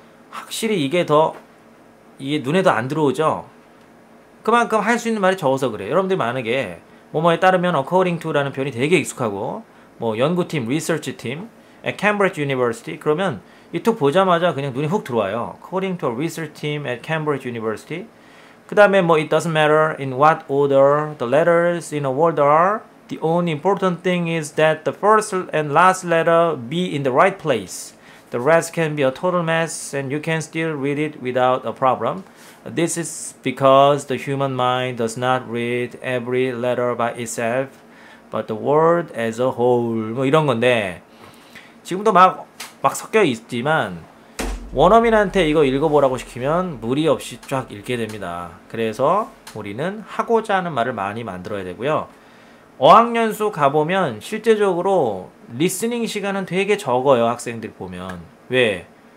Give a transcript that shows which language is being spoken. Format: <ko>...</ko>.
<ko>확실히 이게 눈에도 안 들어오죠? 그만큼 할 수 있는 말이 적어서 그래요. 여러분들이 만약에 뭐뭐에 따르면 according to라는 표현이 되게 익숙하고 뭐 연구팀,</ko> <en>research team, at Cambridge University</en> <ko>그러면 이 툭 보자마자 그냥 눈이 훅 들어와요.</ko> <en>According to a research team at Cambridge University.</en> <ko>그 다음에 뭐</ko> <en>It doesn't matter in what order the letters in a word are. The only important thing is that the first and last letter be in the right place. The rest can be a total mess and you can still read it without a problem. This is because the human mind does not read every letter by itself, but the word as a whole.</en> <ko>뭐 이런 건데 지금도 막 섞여 있지만 원어민한테 이거 읽어보라고 시키면 무리 없이 쫙 읽게 됩니다. 그래서 우리는 하고자 하는 말을 많이 만들어야 되고요. 어학연수 가보면 실제적으로 리스닝 시간은 되게 적어요. 학생들 보면. 왜?</ko>